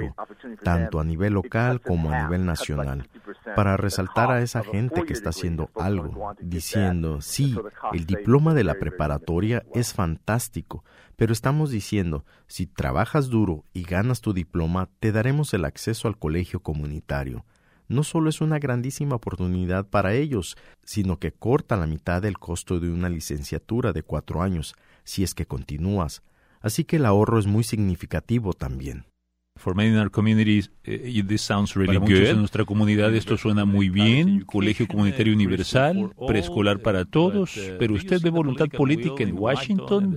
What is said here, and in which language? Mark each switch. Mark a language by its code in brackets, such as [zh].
[es] mundo, tanto a nivel local como a nivel nacional, para resaltar a esa gente que está haciendo algo, diciendo, sí, el diploma de la preparatoria es fantástico, pero estamos diciendo, si trabajas duro y ganas tu diploma, te daremos el acceso al colegio comunitario. No solo es una grandísima oportunidad para ellos, sino que corta la mitad del costo de una licenciatura de 4 años, si es que continúas. Así que el ahorro es muy significativo también. [en] For many in our communities, this sounds really good. [es] Para muchos en nuestra comunidad esto suena muy bien, colegio comunitario universal, preescolar para todos, pero ¿usted ve voluntad política en Washington?